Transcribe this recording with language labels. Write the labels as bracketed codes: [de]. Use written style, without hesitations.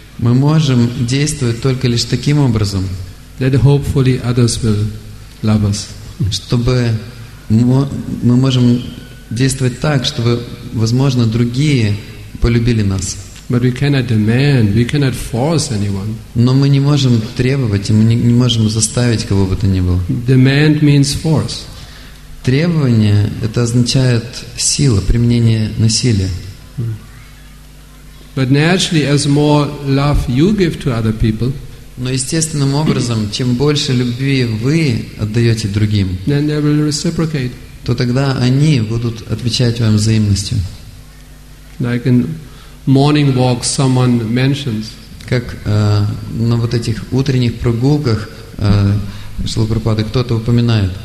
[ru] Мы можем действовать только лишь таким образом. [en] That hopefully others will love us. [ru] Чтобы мы можем действовать так, чтобы, возможно, другие полюбили нас. [en] But we cannot demand, we cannot force anyone. [ru] Но мы не можем требовать, и мы не можем заставить кого бы то ни было. [en] Demand means force. [ru] Требование — это означает сила, применение насилия. [en] But naturally, as more love you give to other people, [ru] но естественным образом, чем больше любви вы отдаете другим, [en] then they will reciprocate. [ru] То тогда они будут отвечать вам взаимностью. [en] Like in morning walks, someone mentions. [ru] Как на вот этих утренних прогулках Шрила Прабхупады кто-то упоминает.